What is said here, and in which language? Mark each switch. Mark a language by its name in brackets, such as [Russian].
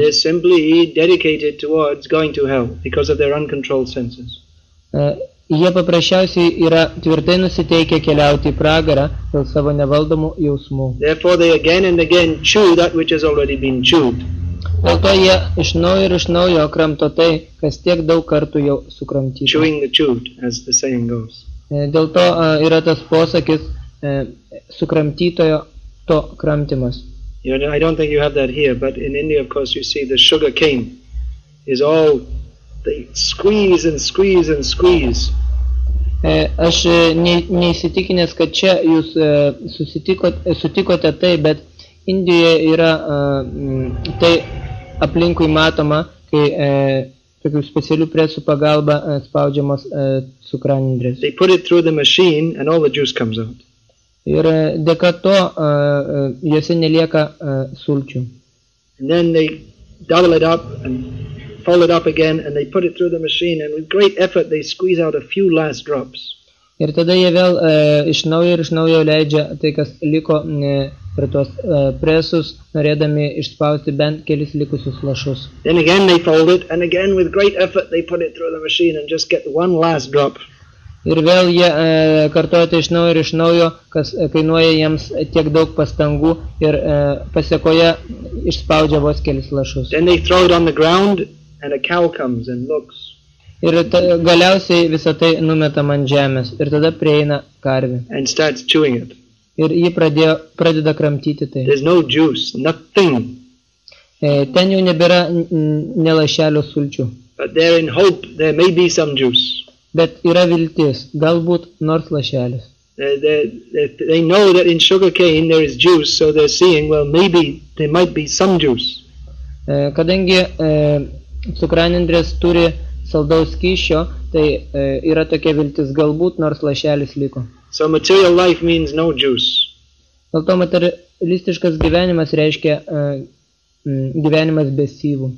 [English] They're simply dedicated towards going to hell because of their uncontrolled senses. [Lithuanian] Jie paprasčiausiai yra tvirtai nusiteikę keliauti į pragarą dėl savo nevaldomų jausmų. [English] Therefore they again and again chew that which has already been chewed. [Lithuanian] Dėl to jie iš naujo ir iš naujo kramto tai, kas tiek daug kartų jau sukramtyta. [English] Chewing the chewed, as the saying goes. [Lithuanian] Dėl to yra tas posakis sukramtytojo to kramtimas. [English] You know, I don't think you have that here, but in India of course you see the sugar cane is all... They squeeze and squeeze and squeeze. [Lithuanian] Aš neįsitikinęs, kad čia jūs sutikote tai, bet Indijoje yra tai aplinkui matoma, kai tokių specialių presų pagalba spaudžiamos cukranendrės. [English] They put it through the machine and all the juice comes out. [Lithuanian] Ir dėka to jose nelieka sulčių. [English] And then they double it up and fold it up again and they put it through the machine and with great effort they squeeze out a few last drops. [Lithuanian] Ir tada jie vėl iš naujo ir iš naujo leidžia tai, kas liko prie tuos presus, norėdami išspausti bent kelis likusius lašus. [English] Then again they fold it and again with great effort they put it through the machine and just get one last drop. [Lithuanian] Ir vėl jie kartuoja tai iš naujo ir iš naujo, kas kainuoja jiems tiek daug pastangų ir pasiekoje išspaudžia vos kelis lašus. [English] Then they throw it on the ground and a cow comes and looks. [Lithuanian] Ir galiausiai visą tai numeta man žemės ir tada prieina karvė. [English] And starts chewing it. [Lithuanian] Ir ji pradeda kramtyti tai. [English] There's no juice, nothing. [Lithuanian] Ten jau nebėra nelašelio sulčių. [English] But there in hope there may be some juice. [Lithuanian] Bet yra viltis, galbūt nors lašelis. [English] They know that in sugar cane there is juice, so they're seeing, well, maybe there might be some juice. [Lithuanian] Kadangi cukranendrės turi saldaus skysčio, tai yra tokia viltis, galbūt nors lašelis liko. [English] So material life means no juice. [Lithuanian] Dėl to materialistiškas gyvenimas reiškia gyvenimas be syvų.